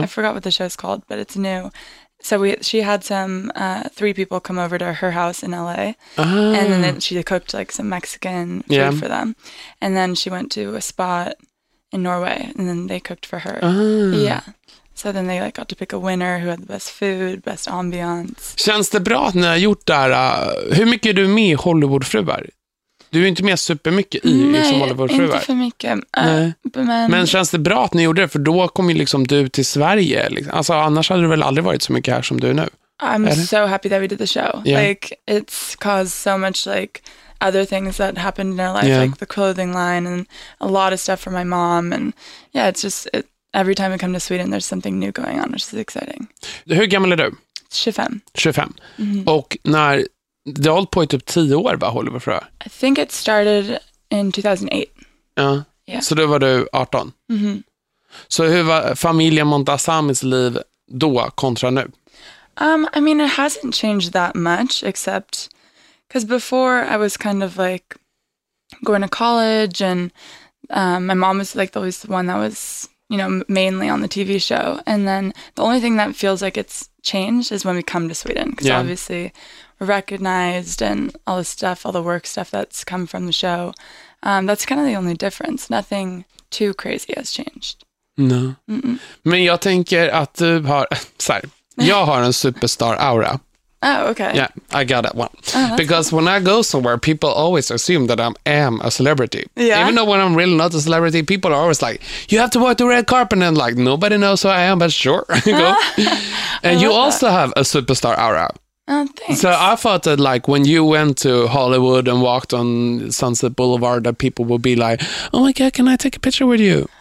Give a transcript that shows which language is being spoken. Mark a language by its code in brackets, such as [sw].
[en] I forgot what the show's called, but it's new. So we, she had some three people come over to her house in LA, and then she cooked like some Mexican food for them, and then she went to a spot in Norway, and then they cooked for her. Yeah. So then they like got to pick a winner who had the best food, best ambiance. [sv] Känns det bra att ni har gjort där? Hur mycket är du med i Hollywoodfruar? Du är inte med supermycket i liksom Hollywoodfruar. Nej, inte för mycket. Men känns det bra att ni gjorde det? För då kom ju liksom du till Sverige. Alltså, annars hade du väl aldrig varit så mycket här som du är nu. [en] I'm so happy that we did the show. Like, it's caused so much like other things that happened in our life. Yeah. Like the clothing line and a lot of stuff for my mom. And yeah, it's just... It, every time I come to Sweden there's something new going on, which is exciting. [sv] Hur gammal är du? 25. 25. Mm-hmm. Och när, det har hållit på i typ 10 år, va, Hollywood Fruar? [en] I think it started in 2008. [sv] Ja, yeah. Så då var du 18. Mm-hmm. Så hur var familjen Montazamis liv då kontra nu? [en] I mean, it hasn't changed that much, except... Because before I was kind of like going to college, and my mom was like always the one that was... you know, mainly on the TV show. And then the only thing that feels like it's changed is when we come to Sweden, because obviously we're recognized and all the stuff, all the work stuff that's come from the show. That's kind of the only difference. Nothing too crazy has changed. No. Mm-mm. [sv] Men jag tänker att du har, så här, jag har en [en] superstar aura. Oh, okay. Yeah, I got that one. Oh, because cool. When I go somewhere, people always assume that I am a celebrity. Yeah. Even though when I'm really not a celebrity, people are always like, you have to walk the red carpet, and like, nobody knows who I am, but sure. And you also have a superstar aura. Oh, thanks. So I thought that like when you went to Hollywood and walked on Sunset Boulevard, that people would be like, oh my God, can I take a picture with you?